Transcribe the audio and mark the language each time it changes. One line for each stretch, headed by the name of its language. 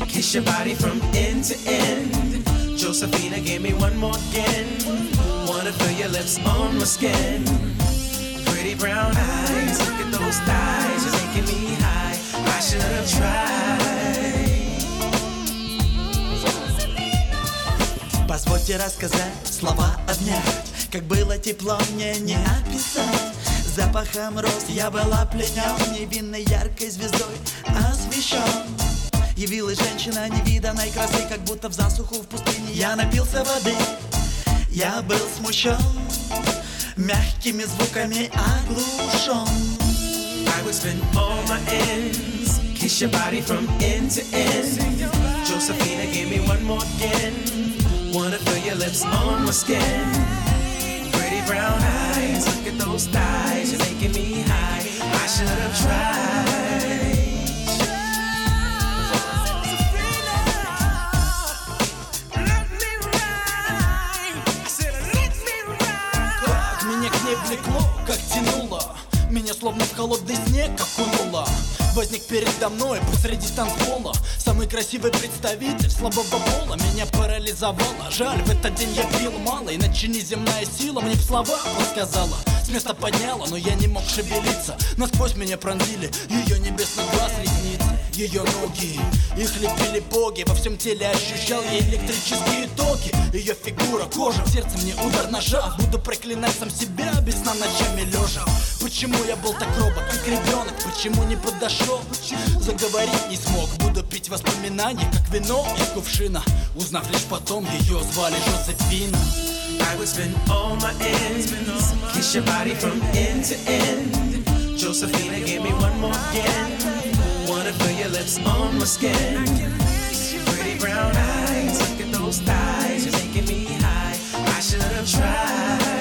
English: Kiss your body from end to end. Josephina, give me one more again. Wanna feel your lips on my skin. Pretty brown eyes, look at those thighs. You're making me high, I should have tried.
Russian: Позвольте рассказать слова огня. Как было тепло, мне не описать. Запахом роз я была пленен, невинной яркой звездой освещен. Явилась женщина невиданной красы, как будто в засуху в пустыне. Я напился воды, я был смущен, мягкими звуками оглушен.
English: I would spend all my ends, kiss your body from end to end. Josephina, give me one more again. Wanna feel your lips on my skin. Brown eyes, look at those thighs. You're making me high. I should have tried. Let me ride. I said, let me ride.
Russian: Как меня к ней влекло, как тянуло. Меня словно в холодный снег окунуло. Возник передо мной посреди танцпола. Самый красивый представитель слабого пола. Меня парализовало. Жаль, в этот день я пил мало. Иначе неземная сила мне в слова подсказала. С места подняла, но я не мог шевелиться. Насквозь меня пронзили ее небесный глаз ресницы. Ее ноги, их лепили боги. Во всем теле ощущал я электрические токи. Ее фигура, кожа, в сердце мне удар ножа. Буду проклинать сам себя без сна ночами лежа. Почему я был так робок, как ребенок? Почему не подошел? Заговорить не смог. Буду пить воспоминания, как вино из кувшина. Узнав лишь потом, ее звали Жозефина.
English: I would spend all my ends, kiss your body from end to end. Josephina, give me one more again. Wanna feel your lips on my skin. Pretty brown eyes, look at those thighs. You're making me high, I should have tried.